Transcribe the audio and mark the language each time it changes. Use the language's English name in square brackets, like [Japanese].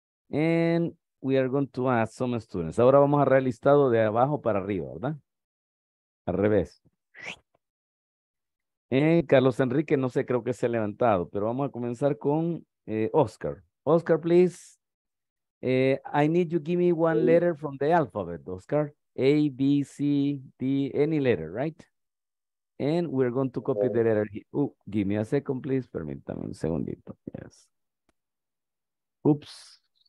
[English] And we are going to ask some students. [Spanish] Ahora vamos a el listado de abajo para arriba, ¿verdad? Al revés. Carlos Enrique, no sé, creo que se ha levantado, pero vamos a comenzar con Oscar. [English] Oscar, please. I need you give me one letter from the alphabet, Oscar. A, B, C, D, any letter, right? And we're going to copy the letter. Give me a second, please. [Spanish] Permítame un segundito. [English] Yes. Oops.